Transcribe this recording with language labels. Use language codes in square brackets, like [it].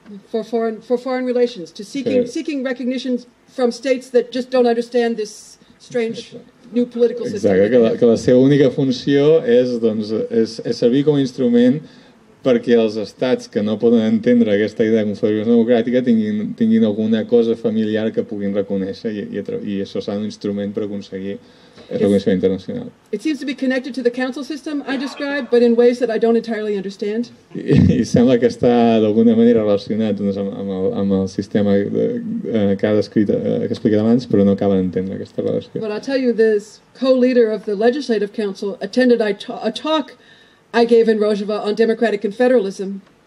[en] For foreign relations, to seeking recognition from states that just don't understand this strange new political system. [ca] Exacte, que la seva única funció és doncs és servir com a instrument perquè els estats que no poden entendre aquesta idea de confederació democràtica tinguin alguna cosa familiar que puguin reconèixer, i això serà un instrument per aconseguir reconeixement internacional. [en] It seems to be connected to the council system I described, but in ways that I don't entirely understand. [ca] I sembla que està d'alguna manera relacionat doncs amb el sistema que ha explicat abans, però no acaba d'entendre aquesta relació. [en] But I'll tell you, this co-leader of the legislative council attended a talk I gave in Rojava on democratic and federalism.